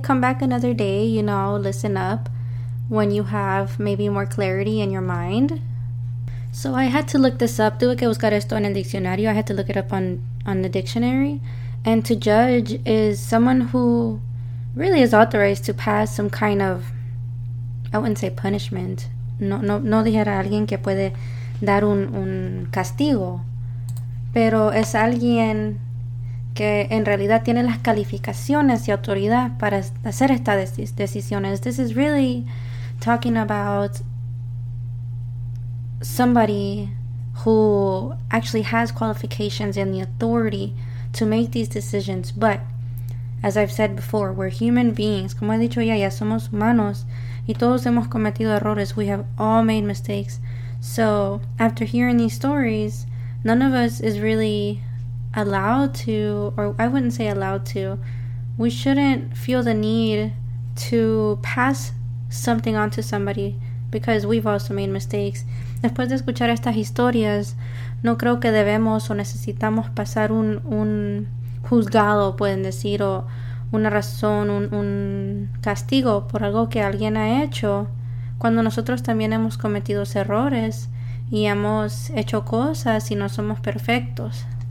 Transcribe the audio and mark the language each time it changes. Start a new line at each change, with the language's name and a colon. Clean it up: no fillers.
English: Come back another day, you know, listen up when you have maybe more clarity in your mind. So I had to look this up.
Spanish: Tuve que buscar esto en el diccionario.
English: I had to look it up on the dictionary. And to judge is someone who really is authorized to pass some kind of, I wouldn't say punishment.
Spanish: No dijera alguien que puede dar un castigo. Pero es alguien que en realidad tiene las calificaciones y autoridad para hacer estas decisiones.
English: This is really talking about somebody who actually has qualifications and the authority to make these decisions. But as I've said before, we're human beings.
Spanish: Como he dicho ya somos humanos y todos hemos cometido errores.
English: We have all made mistakes. So after hearing these stories, none of us is really allowed to, or I wouldn't say allowed to, we shouldn't feel the need to pass something on to somebody because we've also made mistakes.
Spanish: Después de escuchar estas historias, no creo que debemos o necesitamos pasar un juzgado, pueden decir, o una razón, un castigo por algo que alguien ha hecho, cuando nosotros también hemos cometido errores y hemos hecho cosas y no somos perfectos.